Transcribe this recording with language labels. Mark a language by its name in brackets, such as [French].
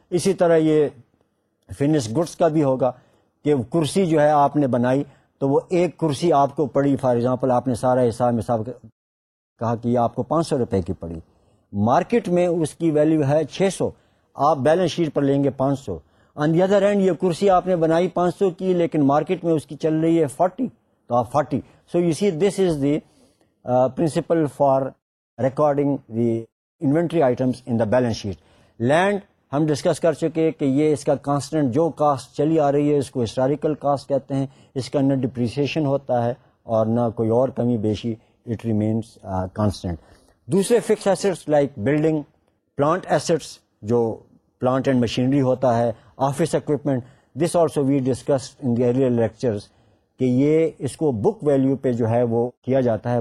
[Urdu] اسی طرح یہ فنش گڈس کا بھی ہوگا کہ کرسی جو ہے آپ نے بنائی تو وہ ایک کرسی آپ کو پڑی, [English] for example [Urdu] آپ نے سارا حساب حساب کہا کہ یہ آپ کو 500 روپے کی پڑی, مارکیٹ میں اس کی ویلیو ہے 600, آپ بیلنس شیٹ پر لیں گے 500. [English] on the other hand [Urdu] یہ کرسی آپ نے بنائی 500 کی لیکن مارکیٹ میں اس کی چل رہی ہے 40, تو آپ 40. [English] So you see this is the principle for recording the inventory items in the balance sheet. [Urdu] Land ہم ڈسکس کر چکے کہ یہ اس کا کانسٹنٹ جو کاسٹ چلی آ رہی ہے اس کو ہسٹوریکل کاسٹ کہتے ہیں, اس کا نہ ڈپریسیشن ہوتا ہے اور نہ کوئی اور کمی بیشی, [English] It remains constant. [Urdu] دوسرے fix assets like building, plant assets جو پلانٹ اینڈ مشینری ہوتا ہے, office equipment, [English] this also we discuss in the earlier lectures [Urdu] کہ یہ اس کو بک ویلیو پہ جو ہے وہ کیا جاتا ہے.